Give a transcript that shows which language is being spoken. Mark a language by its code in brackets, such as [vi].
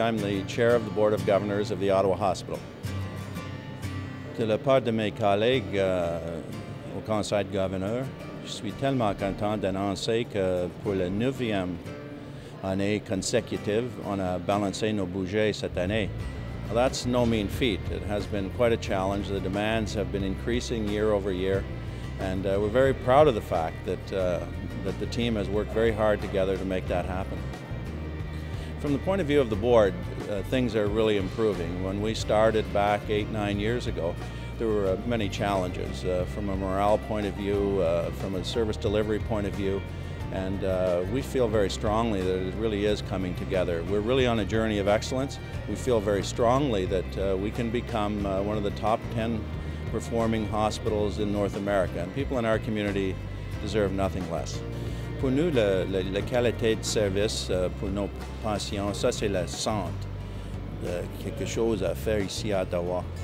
[en] I'm the chair of the Board of Governors of the Ottawa Hospital. [fr] De la part de mes collègues au Conseil de Governor, je suis tellement content d'annoncer que pour la 9e année consécutive, on a balancé nos budgets cette année. [en] Well, that's no mean feat. It has been quite a challenge. The demands have been increasing year over year, and we're very proud of the fact that that the team has worked very hard together to make that happen. From the point of view of the board, things are really improving. When we started back 8-9 years ago, there were many challenges from a morale point of view, from a service delivery point of view, and we feel very strongly that it really is coming together. We're really on a journey of excellence. We feel very strongly that we can become one of the top 10 performing hospitals in North America, and people in our community deserve nothing less. [fr] Pour nous, la qualité de service pour nos patients, ça c'est le centre de quelque chose à faire ici à Ottawa.